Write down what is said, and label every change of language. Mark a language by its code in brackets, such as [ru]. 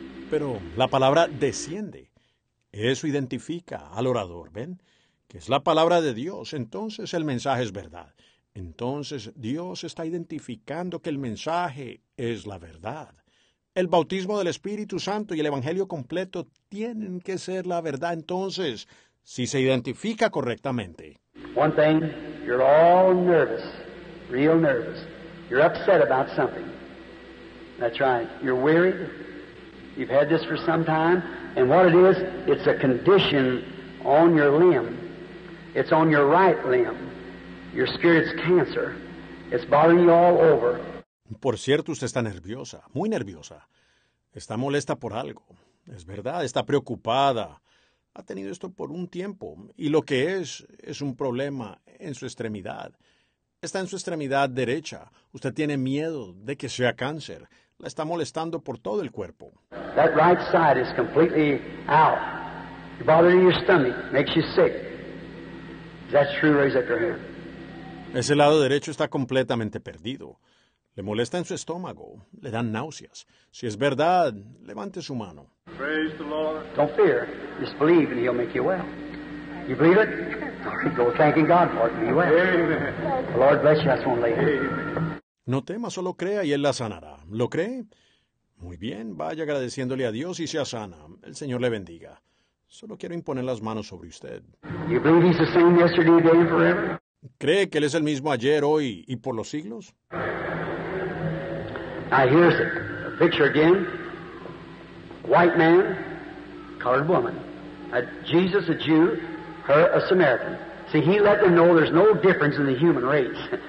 [es] Pero la palabra desciende. Eso identifica al orador, ¿ven? Que es la palabra de Dios. Entonces el mensaje es verdad. Entonces Dios está identificando que el mensaje es la verdad. El bautismo del Espíritu Santo y el Evangelio completo tienen que ser la verdad. Entonces, si se identifica correctamente. [en] One thing, you're all nervous, real nervous. You're upset about something. That's right. You're weary. You've had this for some time. And what it is, it's a condition on your limb. It's on your right limb. Your spirit's cancer. It's bothering you all over. [es] Por cierto, usted está nerviosa, muy nerviosa. Está molesta por algo. Es verdad, está preocupada. Ha tenido esto por un tiempo. Y lo que es un problema en su extremidad. Está en su extremidad derecha. Usted tiene miedo de que sea cáncer. La está molestando por todo el cuerpo. [en] That right side is completely out. You're bothering your stomach. Makes you sick. Is that true? Raise up your hand. [es] Ese lado derecho está completamente perdido. Le molesta en su estómago. Le dan náuseas. Si es verdad, levante su mano. [en] Praise the Lord. Don't fear. Just believe and he'll make you well. You believe it? Go thanking God for it and be well. Amen. The Lord bless you. That's one lady. Amen. [es] No tema, solo crea y Él la sanará. ¿Lo cree? Muy bien, vaya agradeciéndole a Dios y sea sana. El Señor le bendiga. Solo quiero imponer las manos sobre usted. [en] You believe he's the same yesterday, today, and forever? [es] ¿Cree que Él es el mismo ayer, hoy y por los siglos? [en] Now here's a picture again. White man, colored woman. Jesus, a Jew, her, a Samaritan. See, he let them know there's no difference in the human race.